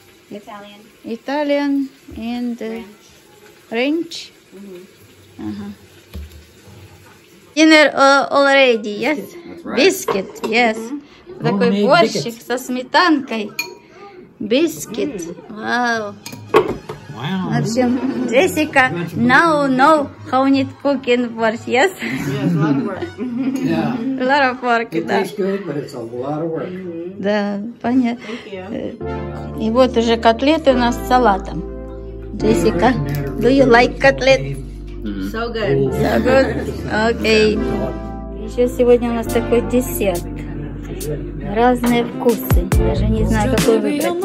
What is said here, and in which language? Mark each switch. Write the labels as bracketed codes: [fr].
[en] Italian. Italian and French. Uh-huh. Dinner already, yes? Biscuit, right. Biscuit, yes. Mm-hmm. [ru] Такой борщик со сметанкой. [en] Biscuit, wow. Wow. [ru] В общем, [en] Джессика now know how need cooking works, yes? Yes, a lot of work. Yeah. A lot of work, it [ru] да. [en] It tastes good, but it's a lot of work. [ru] Mm-hmm. Да, понятно. [en] Thank you. [ru] И вот уже котлеты у нас с салатом. [en] Джессика, do you like котлет? So good. So good? Okay. [ru] Еще сегодня у нас такой десерт. Разные вкусы. Даже не знаю, какой выбрать.